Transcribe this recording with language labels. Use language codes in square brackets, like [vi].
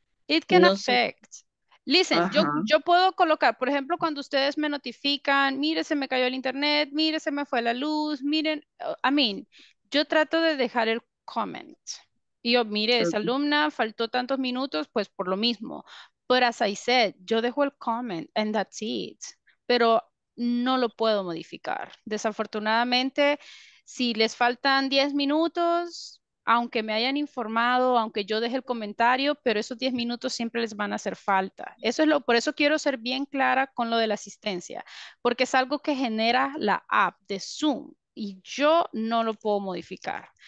[en] It can affect. [es] Listen, yo puedo colocar, por ejemplo, cuando ustedes me notifican, mire, se me cayó el internet, mire, se me fue la luz, miren, I mean, yo trato de dejar el comment. Y yo, mire, esa alumna faltó tantos minutos, pues por lo mismo. [en] But as I said, [es] yo dejo el comment [en] and that's it. [es] Pero no lo puedo modificar. Desafortunadamente, si les faltan 10 minutos, aunque me hayan informado, aunque yo deje el comentario, pero esos 10 minutos siempre les van a hacer falta. Eso es lo, por eso quiero ser bien clara con lo de la asistencia, porque es algo que genera la app de Zoom y yo no lo puedo modificar.